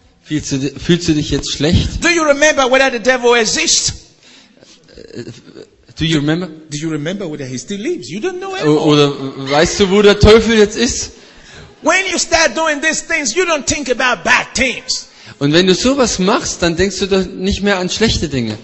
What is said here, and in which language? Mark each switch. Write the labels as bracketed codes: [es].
[de] Fühlst du dich jetzt schlecht? [en] Do you remember whether the devil exists? Do you remember whether he still lives? You don't know anymore. [de] Oder weißt du, wo der Teufel jetzt ist? [en] When you start doing these things, you don't think about bad things. [de] Und wenn du sowas machst, dann denkst du doch nicht mehr an schlechte Dinge.